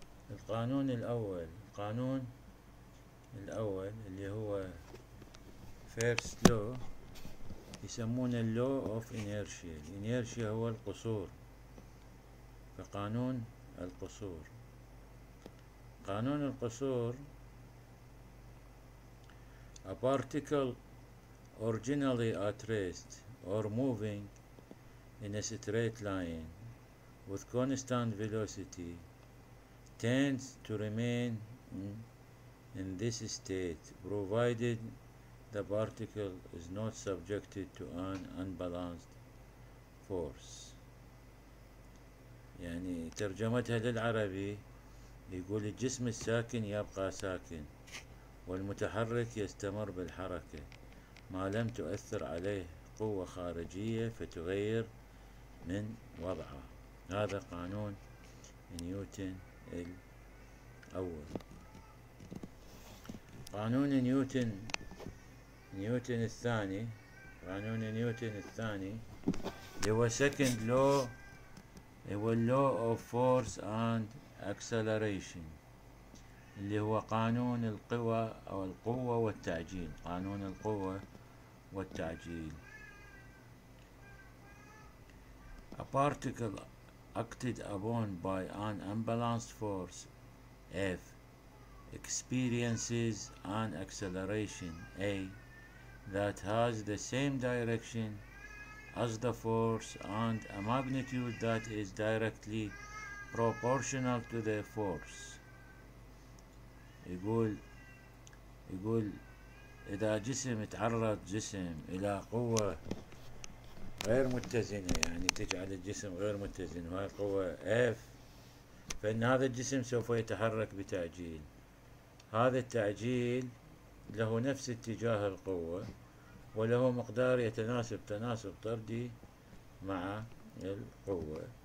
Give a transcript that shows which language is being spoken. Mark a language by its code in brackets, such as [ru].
[ar] القانون الأول، القانون الأول اللي هو فيرست لو، يسمونه لو اوف انيرشيا. الانيرشيا هو القصور، فقانون القصور. [en] قانون القصور: A particle originally at rest or moving in a straight line with constant velocity tends to remain in this state provided the particle is not subjected to an unbalanced force. [ar] يعني ترجمتها للعربي يقول: الجسم الساكن يبقى ساكن، والمتحرك يستمر بالحركة ما لم تؤثر عليه قوة خارجية فتغير من وضعه. هذا قانون نيوتن الأول. قانون نيوتن الثاني، قانون نيوتن الثاني هو second law، هو law of force and acceleration، اللي هو قانون القوى أو القوة والتعجيل. [en] قانون القوة والتعجيل: A particle acted upon by an unbalanced force F experiences an acceleration A that has the same direction as the force and a magnitude that is directly proportional to the force. [ar] يقول إذا جسم إلى قوة غير متزنة، يعني تجعل الجسم غير متزن، وهي قوة F، فإن هذا الجسم سوف يتحرك بتعجيل. هذا التعجيل له نفس اتجاه القوة وله مقدار يتناسب تناسب طردي مع القوة.